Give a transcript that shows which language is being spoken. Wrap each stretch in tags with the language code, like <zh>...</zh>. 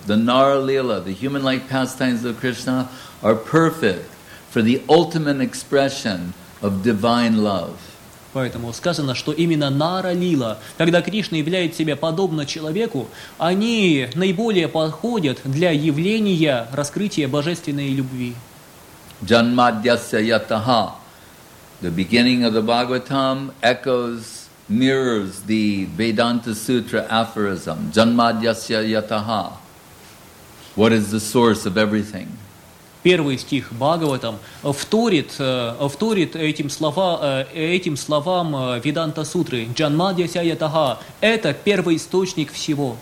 <en>The Nara Leela, the human-like pastimes of Krishna, are perfect for the ultimate expression of divine love.</en> <ru>Поэтому сказано, что именно Нара Лила, когда Кришна являет себя подобно человеку, они наиболее подходят для явления раскрытия божественной любви.</ru> <en>Janmadhyasya Yataha. The beginning of the Bhagavatam echoes mirrors the Vedanta Sutra aphorism, Janmadhyasya Yataha. What is the source of everything?</en> <ru>Первый стих Бхагаватам вторит этим словам Веданта Сутры, Janmadhyasya Yataha. Это первоисточник всего.</ru>